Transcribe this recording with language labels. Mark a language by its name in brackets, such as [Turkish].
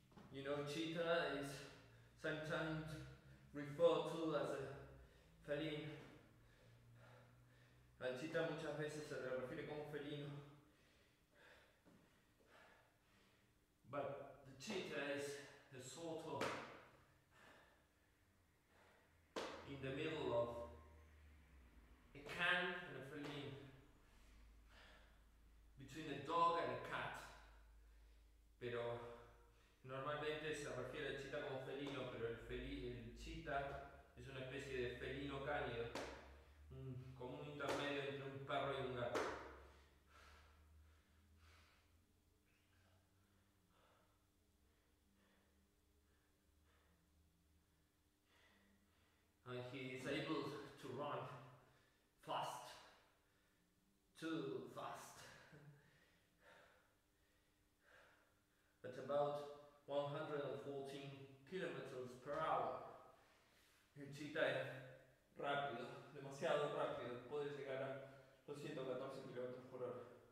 [English] You know, cheetah is sometimes referred to as a felino. [Spanish] A cheetah muchas veces se le refiere como felino. [English] But the cheetah is a sort of in the middle of a can and a feline, between a dog and a cat. [Spanish] Pero normalmente se refiere al cheetah como felino, pero el cheetah es una especie de felino cánido, como un intermedio entre un perro y un gato. [English] And he is able to run fast, too fast, at about 114 kilometers per hour. [Spanish] El cheetah es rápido, demasiado rápido, puede llegar a 214 kilómetros por hora.